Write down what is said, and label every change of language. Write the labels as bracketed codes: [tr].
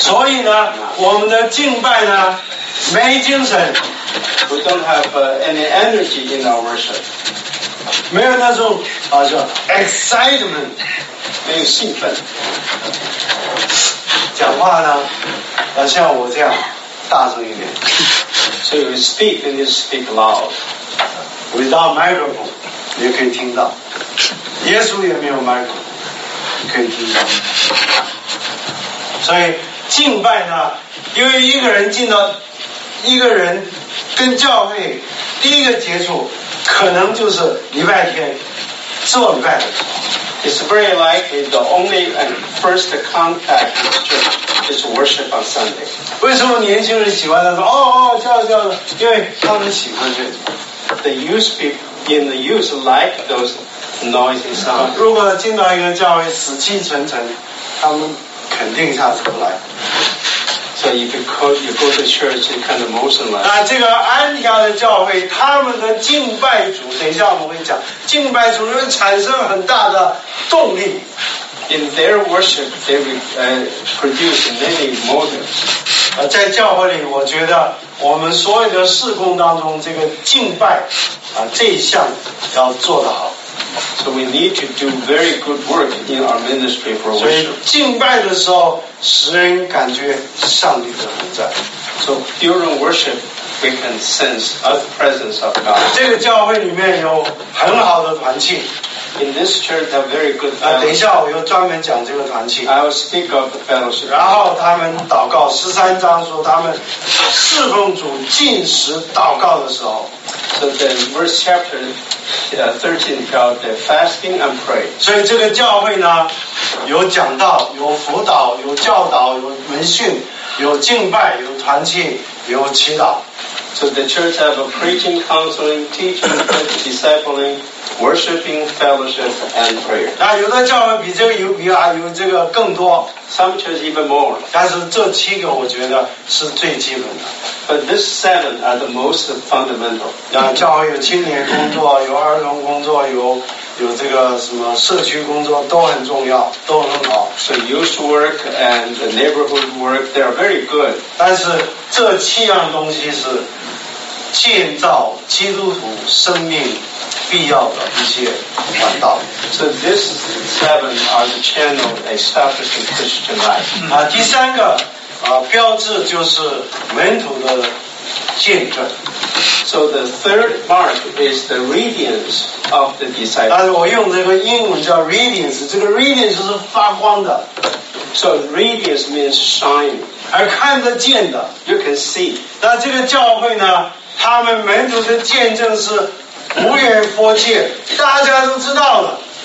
[zh] 所以呢我们的敬拜呢没精神 [en] we don't have any energy in our worship [zh] 没有那种好像 excitement 没有兴奋讲话呢要像我这样大声一点 [en] so if you speak and you speak loud without microphone [zh] 你可以听到耶稣也没有 microphone可以听到，所以敬拜呢，因为一个人进到一个人跟教会第一个接触，可能就是礼拜天做礼拜的时候。 [en] It's very likely the only and first contact with church is worship on Sunday. [zh] 为什么年轻人喜欢他说哦叫，因为他们喜欢这种。 [en] The youth people in the youth like those. Noisy sound. [zh] 如果进到一个教会死气沉沉，他们肯定下次不来。 [en] So if you go to church, it's kind of motionless. [zh] 那这个安提阿的教会，他们的敬拜主，等一下我们会讲，敬拜主会产生很大的动力。 [en] In their worship, they produce many motives. [zh] 在教会里，我觉得我们所有的事工当中，这个敬拜这一项要做得好。 [en] So we need to do very good work in our ministry for worship. [zh] 所以敬拜的时候，使人感觉上帝的同在。 [en] So during worship, we can sense the presence of God. [zh] 这个教会里面有很好的团契。 [en] In this church, have very good. [zh] 等一下，我又专门讲这个团契。 [en] I will speak of the fellowship. [zh] 然后他们祷告，十三章说他们侍奉主、进食、祷告的时候。 [en] So then, verse chapter 13 about the fasting and pray. [zh] 所以这个教会呢，有讲道、有辅导、有教导、有门训、有敬拜、有团契、有祈祷。 [en] So the church have a preaching, counseling, teaching, discipling, worshiping, fellowship, and prayer. [zh] 那有的教会比这个有这个更多。 [en] Some church even more. [zh] 但是这七个我觉得是最基本的。 [en] But this seven are the most fundamental. [zh] 那教会有青年工作，有儿童工作，有这个什么社区工作都很重要，都很好。 [en] So youth work and the neighborhood work, they are very good. [zh] 但是这七样东西是建造基督徒生命必要的一些管道。 [en] So these seven are the channel establishing Christian life. [zh] 第三个标志就是门徒的见证。 [en] So the third mark is the radiance of the disciples. [zh] 但是我用这个英文叫 radiance， 这个 radiance 是发光的。 [en] So radiance means shine， [zh] 而看得见的 [en] ，you can see。 [zh] 那这个教会呢，他们门徒的见证是无人不见，大家都知道的。